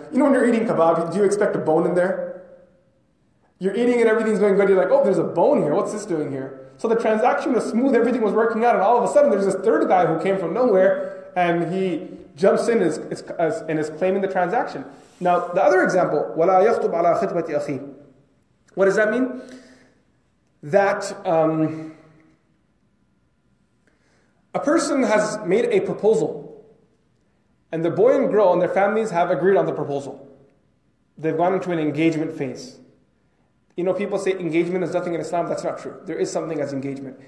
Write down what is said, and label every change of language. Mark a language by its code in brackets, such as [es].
[en] You know, when you're eating kebab, do you expect a bone in there? You're eating and everything's going good. You're like, oh, there's a bone here. What's this doing here? So the transaction was smooth. Everything was working out. And all of a sudden, there's this third guy who came from nowhere. And he jumps in and is claiming the transaction. Now, the other example, [ar] وَلَا يَخْطُبْ عَلَىٰ خِطْبَةِ أَخِي. [en] What does that mean? That a person has made a proposal. And the boy and girl and their families have agreed on the proposal. They've gone into an engagement phase. You know, people say engagement is nothing in Islam. That's not true. There is something as engagement.